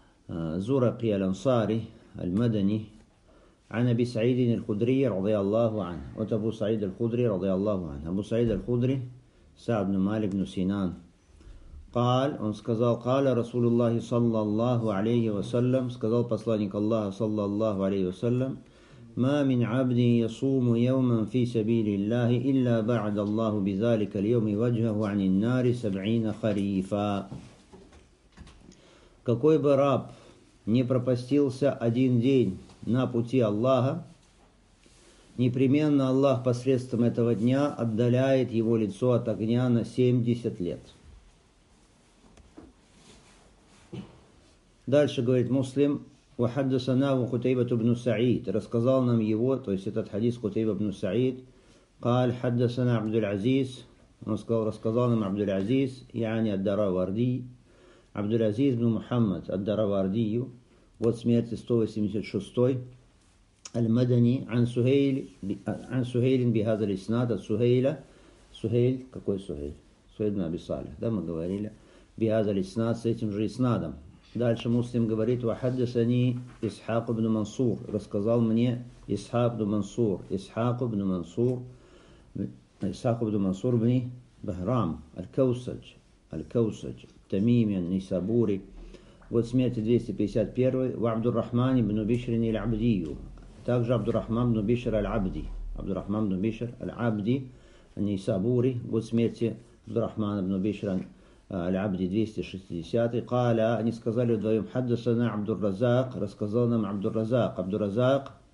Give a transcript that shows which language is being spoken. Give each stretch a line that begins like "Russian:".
Arabic: زرقي الأنصاري المدني عن أبي سعيد الخدري رضي الله عنه أبو سعيد الخدري رضي الله عنه أبو سعيد الخدري سعد بن مالك بن سينان قال
Russian: он сказал
Arabic: قال رسول الله صلى الله عليه وسلم
Russian: сказал посланник
Arabic: الله صلى الله عليه وسلم ما من عبد يصوم يوما في سبيل الله إلا بعد الله بذلك اليوم وجهه عن النار 70 خريفا.
Russian: Какой бы раб не пропастился один день на пути Аллаха, непременно Аллах посредством этого дня отдаляет его лицо от огня на 70 лет. Дальше говорит Муслим.
Arabic: وحدثناه قتيبة بن سعيد
Russian: рассказал нам его, то есть этот хадис Кутейба ибн Саид,
Arabic: قال حدثنا عبد العزيز,
Russian: он сказал, рассказал нам
Arabic: عبد العزيز, يعني الدراوردي, عبد العزيز بن محمد الدراوردي,
Russian: вот смерти 186,
Arabic: المدني, عن سهيل بهذا الاسناد,
Russian: от Сухейля, Сухейль, какой Сухейль? Сухейль бин Аби Салих, да, мы говорили,
Arabic: بهذا الاسناد,
Russian: с этим же иснадом. Дальше Муслим говорит,
Arabic: وحدثني إسحاق بن منصور,
Russian: рассказал мне
Arabic: إسحاق بن منصور, إسحاق بن منصور, إسحاق بن منصور بن بهرام, الكوسج, الكوسج, تميم النيسابوري,
Russian: вот смерти 251,
Arabic: وعبد الرحمن بن بشر العبدي,
Russian: также
Arabic: عبد الرحمن بن بشر العبدي, عبد الرحمن بن بشر العبدي, النيسابوري,
Russian: вот смерти
Arabic: عبد الرحمن بن بشر العبدي 260 قال
Russian: они сказали вдвоем
Arabic: حدثنا عبد الرزاق
Russian: рассказал нам
Arabic: عبد الرزاق عبد الرزاق